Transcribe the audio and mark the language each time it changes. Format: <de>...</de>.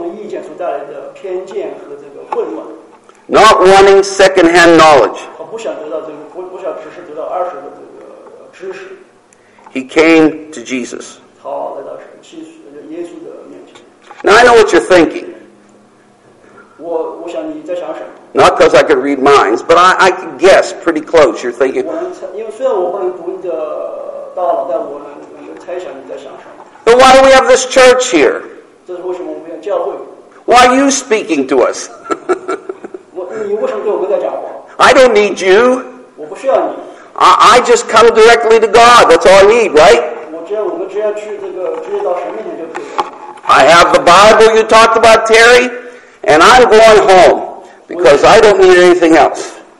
<zh>见所带来的偏见和这个混乱。</zh> <en>Not wanting second-hand knowledge.</en> <zh>他不想得到这个，不想只是得到二手的这个知识。</zh> <en>He came to Jesus.</en> <zh>他来到耶稣的面前。</zh> <en>Now I know what you're thinking.</en> <zh>我想你在想什么。</zh> <en>Not because I could read minds, but I can guess pretty close. You're thinking.</en> <zh>因为虽然我不能读你的大脑，但我能猜想你在想什么。</zh> <en>But why do we have this church here?</en> <zh>这是为什么我们要教会？</zh> <en>Why are you speaking to us?</en> <zh>你为什么对我们在讲话？</zh> <en>I don't need you.</en> <zh>我不需要你。</zh> <en>I just come directly to God. That's all I need, right?</en> <zh>我们只要去这个直接到神面前就可以了。</zh> <en>I have the Bible you talked about, Terry, and I'm going home. Because I don't need anything else.</en>